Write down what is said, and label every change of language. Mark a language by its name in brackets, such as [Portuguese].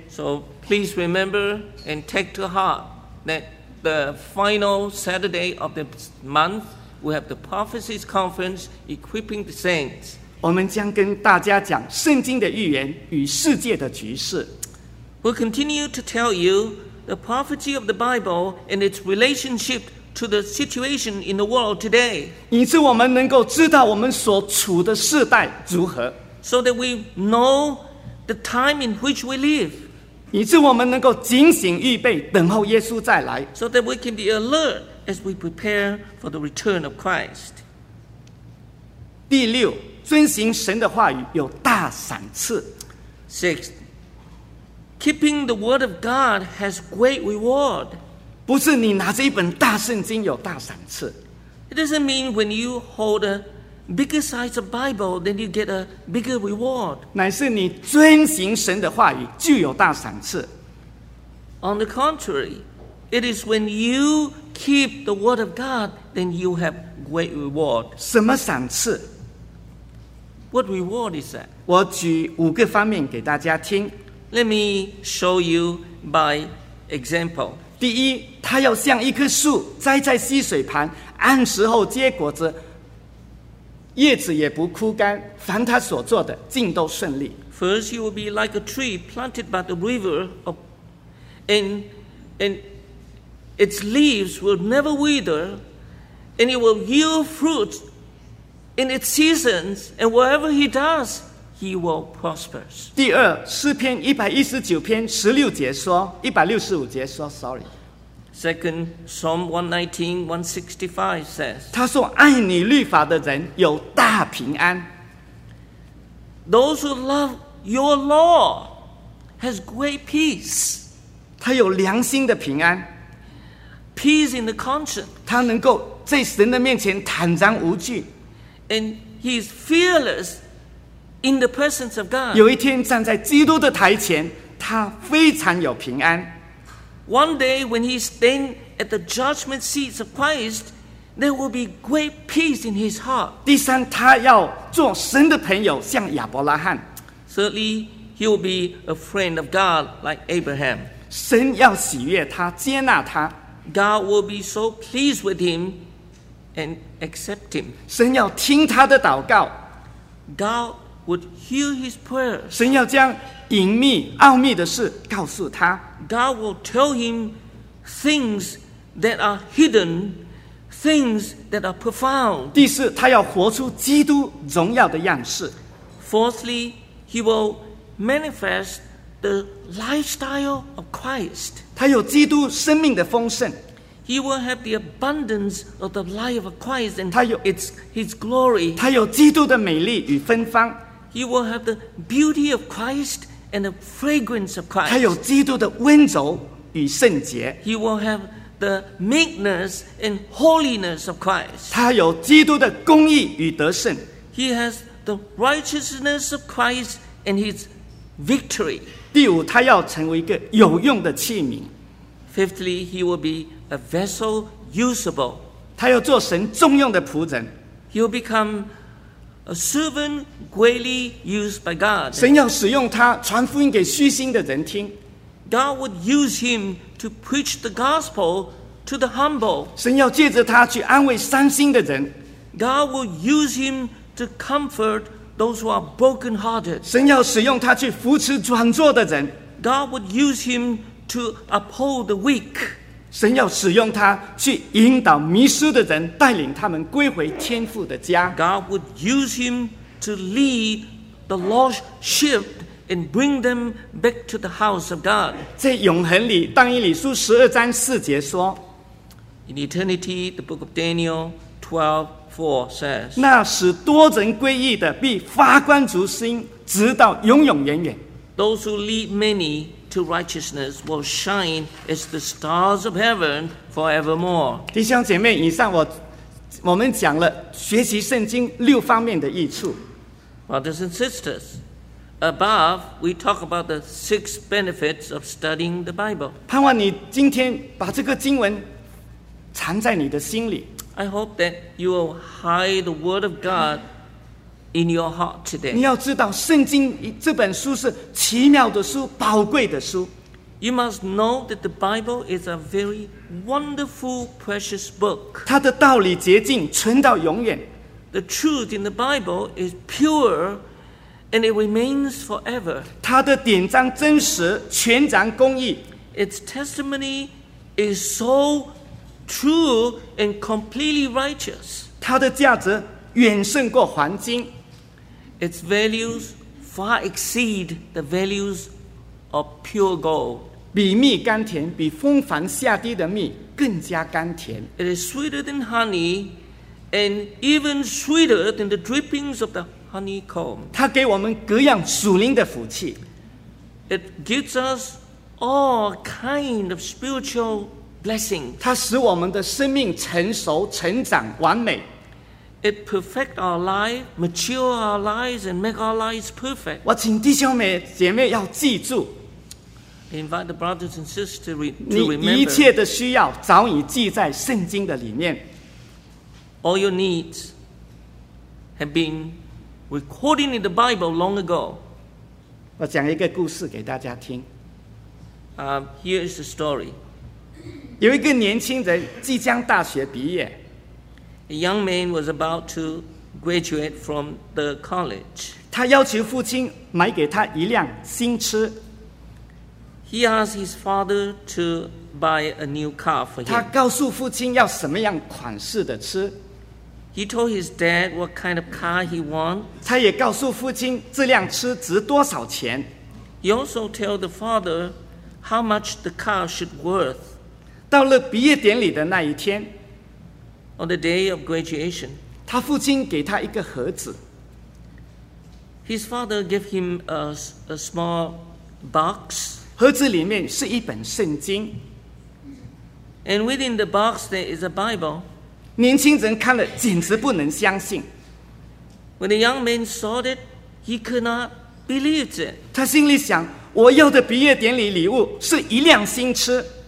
[English] So please remember and take to heart that the final Saturday of the month we have the prophecies conference equipping the saints. [Chinese] 我们将跟大家讲圣经的预言与世界的局势。 [English] We'll continue to tell you the prophecy of the Bible and its relationship. To the situation in the world today, [Chinese] 以致我们能够知道我们所处的世代如何 [English] ，so that we know the time in which we live, [Chinese] 以致我们能够警醒预备等候耶稣再来 [English] ，so that we can be alert as we prepare for the return of Christ. [Chinese] 第六，遵行神的话语有大赏赐 [English] ，sixth, keeping the word of God has great reward. [Chinese] 不是你拿着一本大圣经有大赏赐。 [English] It doesn't mean when you hold a bigger size of Bible, then you get a bigger reward. [Chinese] 乃是你遵行神的话语就有大赏赐。 [English] On the contrary, It is when you keep the word of God, then you have great reward. [Chinese] 什么赏赐？ [English] What reward is that? [Chinese] 我举五个方面给大家听。 [English] Let me show you by example. [Chinese] 第一，它要像一棵树，栽在溪水旁，按时后结果子，叶子也不枯干，凡它所做的，尽都顺利。 [English] First, you will be like a tree planted by the river, and its leaves will never wither, and it will yield fruit in its seasons, and whatever he does, he will prosper. [Chinese] 第二，诗篇一百一十九篇十六节说，一百六十五节说 ，sorry。 [English] Second, Psalm 119:165 says, [Chinese] 他说爱你律法的人有大平安。 [English] Those who love your law has great peace. [Chinese] 他有良心的平安。 [English] Peace in the conscience. [Chinese] 他能够在神的面前坦然无惧。 [English] And he is fearless in the presence of God. [Chinese] 有一天站在基督的台前，他非常有平安。 [English] One day when he stands at the judgment seat of Christ, there will be great peace in his heart. [Chinese] 第三，他要做神的朋友，像亚伯拉罕。 [English] Thirdly, he will be a friend of God like Abraham. [Chinese] 神要喜悦他，接纳他。 [English] God will be so pleased with him and accept him. [Chinese] 神要听他的祷告。 [English] God would hear his prayer. [Chinese] 神要将隐秘奥秘的事告诉他。 [English] God will tell him things that are hidden, things that are profound. [Chinese] 第四，他要活出基督荣耀的样式。 [English] Fourthly, he will manifest the lifestyle of Christ. [Chinese] 他有基督生命的丰盛。 [English] He will have the abundance of the life of Christ and his glory. [Chinese] 他有基督的美丽与芬芳。 [English] He will have the beauty of Christ. And the fragrance of Christ. [Chinese] 他有基督的温柔与圣洁。 [English] He will have the meekness and holiness of Christ. [Chinese] 他有基督的公义与得胜。 [English] He has the righteousness of Christ and his victory. [Chinese] 第五，他要成为一个有用的器皿。 [English] Fifthly, he will be a vessel usable. [Chinese] 他要做神重用的仆人。 [English] He will become A servant greatly used by God. [Chinese] 神要使用他传福音给虚心的人听。 [English] God would use him to preach the gospel to the humble. [Chinese] 神要借着他去安慰伤心的人。 [English] God would use him to comfort those who are brokenhearted. [Chinese] 神要使用他去扶持软弱的人。 [English] God would use him to uphold the weak. [Chinese] 神要使用他去引导迷失的人，带领他们归回天父的家。 [English] God would use him to lead the lost sheep and bring them back to the house of God. [Chinese] 在永恒里，但以理书十二章四节说 [English] ，In eternity, the book of Daniel 12:4 says, [Chinese] 那使多人归义的必发光烛星，直到永永远远。 [English] Those who lead many. To righteousness will shine as the stars of heaven forevermore. [Chinese] 弟兄姐妹，以上我们讲了学习圣经六方面的益处。 [English] Brothers and sisters, above we talk about the six benefits of studying the Bible. [Chinese] 盼望你今天把这个经文藏在你的心里。 [English] I hope that you will hide the word of God in your heart today. [Chinese] 你要知道圣经这本书是奇妙的书，宝贵的书。 [English] You must know that the Bible is a very wonderful, precious book. [Chinese] 它的道理洁净，存到永远。 [English] The truth in the Bible is pure and it remains forever. [Chinese] 它的典章真实，全然公义。 [English] Its testimony is so true and completely righteous. [Chinese] 它的价值远胜过黄金。 [English] Its values far exceed the values of pure gold. [Chinese] 比蜜甘甜，比蜂房下滴的蜜更加甘甜。 [English] It is sweeter than honey and even sweeter than the drippings of the honeycomb. [Chinese] 它给我们各样属灵的福气。 [English] It gives us all kind of spiritual blessings. [Chinese] 它使我们的生命成熟、成长、完美。 [English] It perfect our life, mature our lives, and make our lives perfect. [Chinese] 我请弟兄姐妹要记住。 [English] Invite the brothers and sisters to remember. [Chinese] 你一切的需要早已记在圣经的里面。 [English] All your needs have been recorded in the Bible long ago. [Chinese] 我讲一个故事给大家听。 [English] Here is the story. [Chinese] 有一个年轻人即将大学毕业。 [English] A young man was about to graduate from the college. [Chinese] 他要求父亲买给他一辆新车。 [English] He asked his father to buy a new car for him. [Chinese] 他告诉父亲要什么样款式的车。 [English] He told his dad what kind of car he wanted. [Chinese] 他也告诉父亲这辆车值多少钱。 [English] He also told the father how much the car should worth. [Chinese] 到了毕业典礼的那一天。 [English] On the day of graduation. [Chinese] 他父亲给他一个盒子。 [English] His father gave him a small box. [Chinese] 盒子里面是一本圣经。 [English] And within the box there is a Bible. [Chinese] 年轻人看了简直不能相信。 [English] When the young man saw it, he could not believe it. [Chinese] 他心里想，我要的毕业典礼礼物是一辆新车。